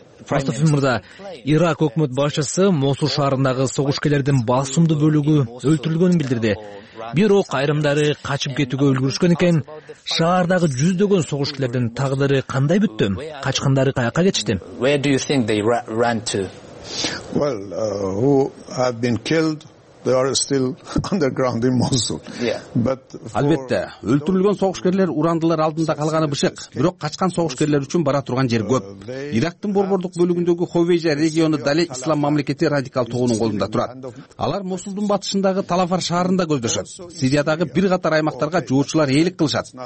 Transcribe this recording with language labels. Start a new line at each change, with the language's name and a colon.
Kyrgyz: Мустафи мырза, Ирак өкмөт башчысы Мосул шаарындагы согушкерлердин басымдуу бөлүгү өлтүрүлгөнүн билдирди. Бирок айрымдары качып кетүүгө үлгүрүшкөн экен. Шаардагы жүздөгөн согушкерлердин тагдыры кандай бүттү? Качкындары каяка кетишти?
English: Where do you think they ran to? Well, who have been killed They are still underground in Mosul.
Kyrgyz: Албетте, өлтүрүлгөн согушкерлер урандылар алдында калганы бышык, бирок качкан согушкерлер үчүн бара турган жер көп. Ирактын борбордук бөлүгүндөгү Ховейжа региону дале ислам мамлекети радикал тобунун колунда турат. Алар Мосулдун батышындагы Талафар шаарында көздөшөт. Сириядагы бир катар аймактарга жоочулар ээлик кылышат.